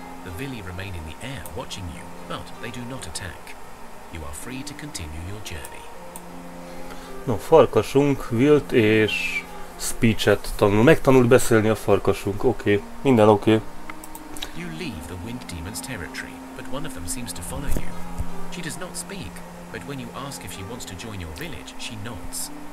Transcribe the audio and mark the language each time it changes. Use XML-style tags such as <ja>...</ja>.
<en>The Vili remain in the air watching you, but they do not attack. You are free to continue your journey.</en> <hu>No, farkasunk Wilt és speechet tanul. Megtanult beszélni a farkasunk. Oké, minden oké.</hu> <en>You leave the wind demon's territory, but one of them seems to follow you. She does not speak, but when you ask if she wants to join your village, she nods.</en>